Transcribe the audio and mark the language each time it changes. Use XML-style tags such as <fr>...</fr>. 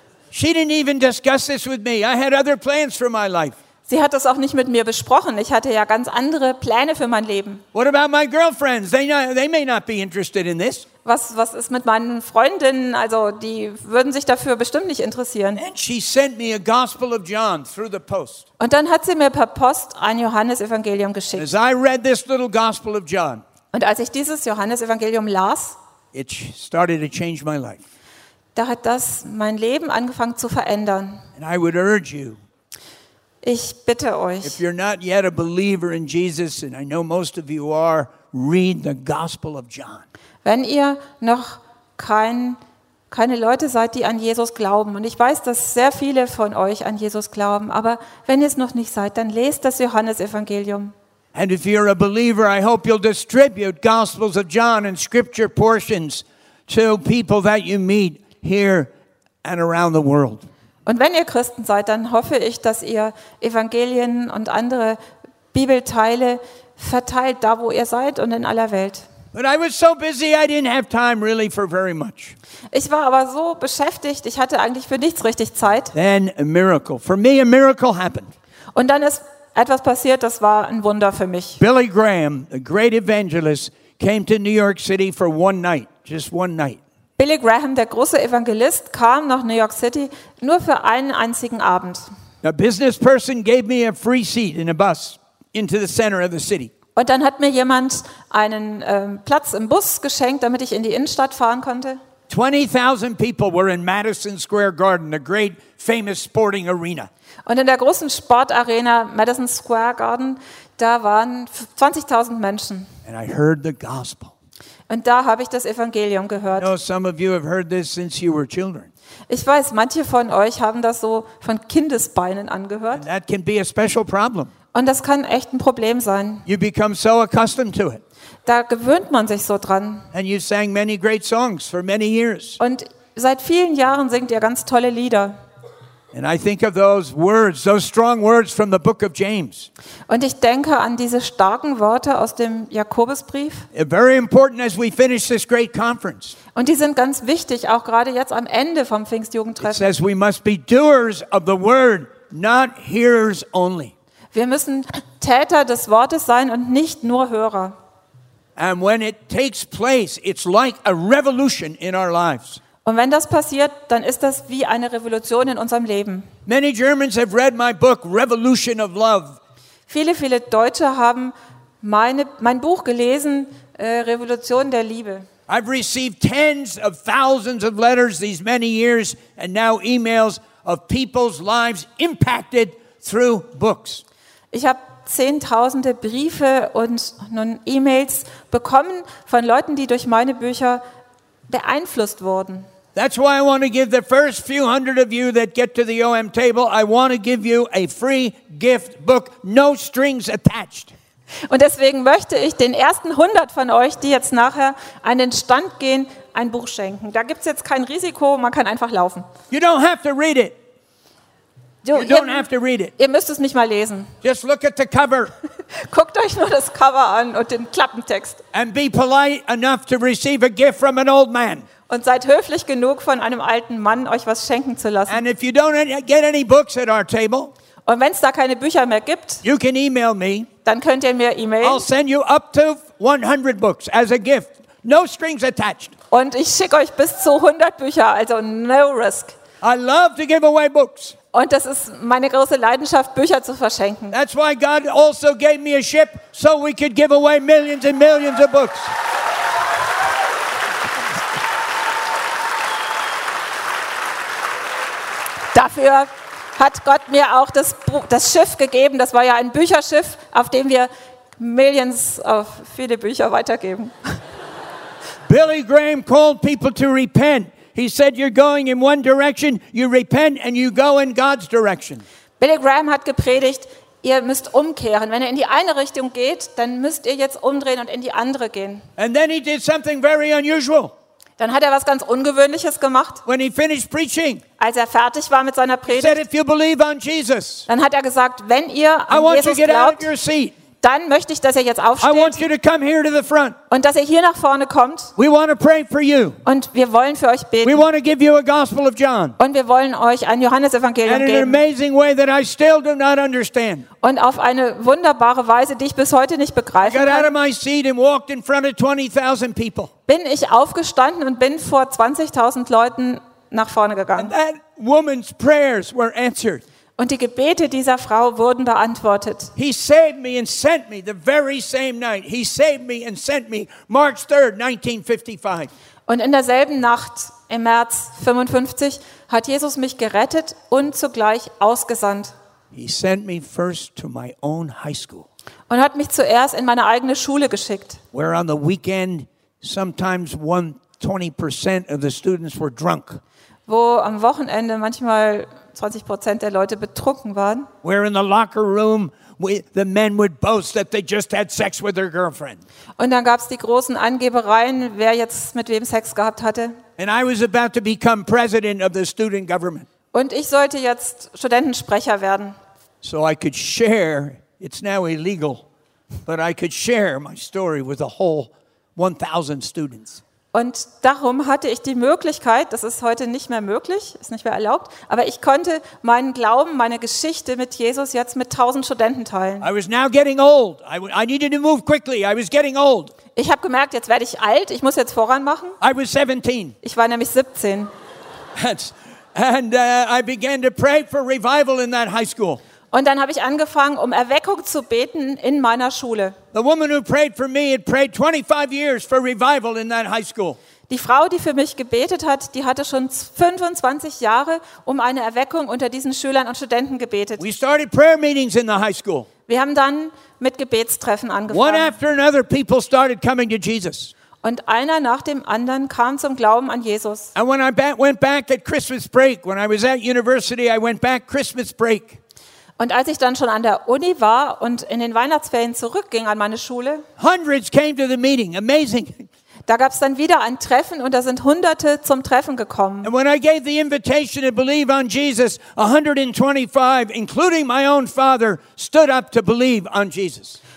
<en>She didn't even discuss this with me. I had other plans for my life.</en> <de>Sie hat das auch nicht mit mir besprochen. Ich hatte ja ganz andere Pläne für mein Leben.</de> <en>What about my girlfriends? They may not be interested in this.</en> <de>Was ist mit meinen Freundinnen? Also, die würden sich dafür bestimmt nicht interessieren.</de> <en>And she sent me a Gospel of John through the post.</en> <de>Und dann hat sie mir per Post ein Johannesevangelium geschickt.</de> <en>As I read this little Gospel of John.</en> <de>Und als ich dieses Johannesevangelium las,</de> <en>it started to change my life.</en> <de>Da hat das mein Leben angefangen zu verändern.</de> <en>And I would urge you,</en> <de>ich bitte euch,</de> <en>if you're not yet a believer in Jesus, and I know most of you are, read the Gospel of John.</en> <de>Wenn ihr noch keine Leute seid, die an Jesus glauben, und ich weiß, dass sehr viele von euch an Jesus glauben, aber wenn ihr es noch nicht seid, dann lest das Johannesevangelium.</de> <en>And if you're a believer, I hope you'll distribute Gospels of John and scripture portions to people that you meet here and around the world.</en> <de>Und wenn ihr Christen seid, dann hoffe ich, dass ihr Evangelien und andere Bibelteile verteilt, da wo ihr seid und in aller Welt.</de> <en>But I was so busy, I didn't have time really for very much.</en> <de>Ich war aber so beschäftigt, ich hatte eigentlich für nichts richtig Zeit.</de> <en>Then a miracle. For me, a miracle happened.</en> <de>Und dann ist etwas passiert, das war ein Wunder für mich.</de> <en>Billy Graham, a great evangelist, came to New York City for one night, just one night.</en> <de>Billy Graham, der große Evangelist, kam nach New York City nur für einen einzigen Abend.</de> <en>A business person gave me a free seat in a bus into the center of the city.</en> <de>Und dann hat mir jemand einen Platz im Bus geschenkt, damit ich in die Innenstadt fahren konnte.</de> <en>20,000 people were in Madison Square Garden, the great famous sporting arena.</en> <de>Und in der großen Sportarena Madison Square Garden, da waren 20,000 Menschen.</de> <en>And I heard the gospel.</en> <de>Und da habe ich das Evangelium gehört.</de> <en>Some of you have heard this since you were children.</en> <de>Ich weiß, manche von euch haben das so von Kindesbeinen angehört.</de> <en>And that can be a special problem.</en> <de>Und das kann echt ein Problem sein.</de> <en>You become so accustomed to it.</en> <de>Da gewöhnt man sich so dran.</de> <en>And you sang many great songs for many years.</en> <de>Und seit vielen Jahren singt ihr ganz tolle Lieder.</de> <en>And I think of those words, those strong words from the book of James.</en> <de>Und ich denke an diese starken Worte aus dem Jakobusbrief.</de> <en>Very important as we finish this great conference.</en> <de>Und die sind ganz wichtig, auch gerade jetzt am Ende vom Pfingstjugendtreffen.</de> <en>It says we must be doers of the word, not hearers only.</en> <de>Wir müssen Täter des Wortes sein und nicht nur Hörer.</de> <en>And when it takes place, it's like a revolution in our lives.</en> <de>Und wenn das passiert, dann ist das wie eine Revolution in unserem Leben.</de> <en>Many Germans have read my book, Revolution of Love.</en> <de>Viele Deutsche haben mein Buch gelesen, Revolution der Liebe.</de> <en>I've received tens of thousands of letters these many years and now emails of people's lives impacted through books.</en> <de>Ich habe zehntausende Briefe und nun E-Mails bekommen von Leuten, die durch meine Bücher beeinflusst wurden.</de> <en>That's why I want to give the first few hundred of you that get to the OM table, I want to give you a free gift book, no strings attached.</en> <de>Und deswegen möchte ich den ersten 100 von euch, die jetzt nachher an den Stand gehen, ein Buch schenken. Da gibt's jetzt kein Risiko, man kann einfach laufen.</de> <en>You don't have to read it.</en> <de>Ihr müsst es nicht mal lesen.</de> <en>Just look at the cover.</en> <de>Guckt euch nur das Cover an und den Klappentext.</de> <en>And be polite enough to receive a gift from an old man.</en> <de>Und seid höflich genug, von einem alten Mann euch was schenken zu lassen.</de> <en>And if you don't get any books at our table,</en> <de>und wenn es da keine Bücher mehr gibt,</de> <en>you can email me.</en> <de>Dann könnt ihr mir e-mailen.</de> <en>I'll send you up to 100 books as a gift. No strings attached.</en> <de>Und ich schicke euch bis zu 100 Bücher, also</de> <en>no risk. I love to give away books.</en> <de>Und das ist meine große Leidenschaft, Bücher zu verschenken.</de> <en>That's why God also gave me a ship, so we could give away millions and millions of books.</en> <de>Dafür hat Gott mir auch das Schiff gegeben. Das war ja ein Bücherschiff, auf dem wir Millions auf viele Bücher weitergeben.</de> <en>Billy Graham called people to repent. He said, you're going in one direction, you repent and you go in God's direction.</en> <de>Billy Graham hat gepredigt, ihr müsst umkehren. Wenn ihr in die eine Richtung geht, dann müsst ihr jetzt umdrehen und in die andere gehen.</de> <en>And then he did something very unusual.</en> <de>Dann hat er was ganz Ungewöhnliches gemacht.</de> <en>When he finished preaching,</en> <de>als er fertig war mit seiner Predigt,</de> <en>he said, if you believe on Jesus,</en> <de>dann hat er gesagt, wenn ihr an</de> <en>I want</en> <de>Jesus</de> <en>you to get</en> <de>glaubt,</de> <en>out of your seat.</en> <de>Dann möchte ich, dass er jetzt aufsteht.</de> <en>I want you to come here to the front.</en> <de>Und dass er hier nach vorne kommt.</de> <en>We want to pray for you.</en> <de>Und wir wollen für euch beten.</de> <en>We want to give you a Gospel of John.</en> <de>Und wir wollen euch ein Johannesevangelium geben.</de> <en>In an amazing way that I still do not understand.</en> <de>Und auf eine wunderbare Weise, die ich bis heute nicht begreifen kann.</de> <en>I got out of my seat and walked in front of 20,000 people.</en> <de>Bin ich aufgestanden und bin vor 20,000 Leuten nach vorne gegangen.</de> <en>And that woman's prayers were answered.</en> <de>Und die Gebete dieser Frau wurden beantwortet.</de> <en>He saved me and sent me the very same night. He saved me and sent me March 3rd, 1955.</en> <de>Und in derselben Nacht, im März 55, hat Jesus mich gerettet und zugleich ausgesandt.</de> <en>He sent me first to my own high school.</en> <de>Und hat mich zuerst in meine eigene Schule geschickt.</de> <en>Where on the weekend sometimes 120% of the students were drunk.</en> <de>Wo am Wochenende manchmal 20% der Leute betrunken waren.</de> <en>Where in the locker room the men would boast that they just had sex with their girlfriend.</en> <de>Und dann gab's die großen Angebereien, wer jetzt mit wem Sex gehabt hatte.</de> <en>And I was about to become president of the student government.</en> <de>Und ich sollte jetzt Studentensprecher werden.</de> <en>So I could share, it's now illegal, but I could share my story with the whole 1000 students.</en> <de>Und darum hatte ich die Möglichkeit, das ist heute nicht mehr möglich, ist nicht mehr erlaubt, aber ich konnte meinen Glauben, meine Geschichte mit Jesus jetzt mit 1000 Studenten teilen.</de> <en>I was now getting old. I needed to move quickly. I was getting old.</en> <de>Ich habe gemerkt, jetzt werde ich alt, ich muss jetzt voran machen.</de> <en>I was 17.</en> <de>Ich war nämlich 17.</de> <en>And I began to pray for revival in that high school.</en> <de>Und dann habe ich angefangen, um Erweckung zu beten in meiner Schule.</de> <en>The woman who prayed for me had prayed 25 years for revival in that high school.</en> <de>Die Frau, die für mich gebetet hat, die hatte schon 25 Jahre um eine Erweckung unter diesen Schülern und Studenten gebetet.</de> <en>We started prayer meetings in the high school.</en> <de>Wir haben dann mit Gebetstreffen angefangen.</de> <en>One after another, people started coming to Jesus.</en> <de>Und einer nach dem anderen kam zum Glauben an Jesus.</de> <en>And when I went back at Christmas break, when I was at university, I went back Christmas break.</en> <de>Und als ich dann schon an der Uni war und in den Weihnachtsferien zurückging an meine Schule,</de> <en>hundreds came to the meeting. Amazing.</en> <de>Da gab es dann wieder ein Treffen und da sind Hunderte zum Treffen gekommen.</de> <en>And when I gave the invitation to believe on Jesus, 125, including my own father, stood up to believe on Jesus.</en>